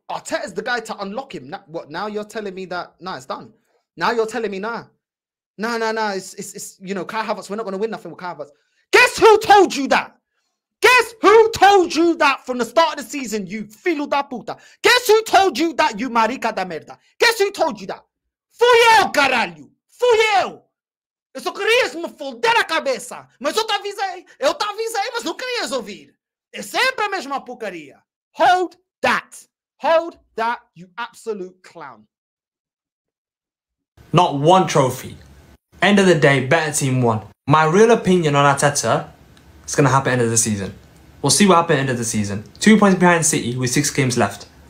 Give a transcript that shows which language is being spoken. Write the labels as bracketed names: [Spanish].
[English] Arteta's the guy to unlock him. Now, what? Now you're telling me that, nah, it's done. Now you're telling me, nah. Nah. It's you know, Kai Havertz, we're not going to win nothing with Kai Havertz. Guess who told you that? Guess who told you that from the start of the season, you [Portuguese] filho da puta? [English] Guess who told you that, you [Portuguese] marica da merda? [English] Guess who told you that? [Portuguese] Fui eu, caralho. Fui eu. Eu só queria me foder a cabeça. Mas eu te avisei. Eu te avisei, mas não querias ouvir. É sempre a mesma porcaria. [English] Hold that. Hold that, you absolute clown. Not one trophy. End of the day, better team won. My real opinion on Arteta, it's going to happen at the end of the season. We'll see what happens at the end of the season. 2 points behind City with 6 games left.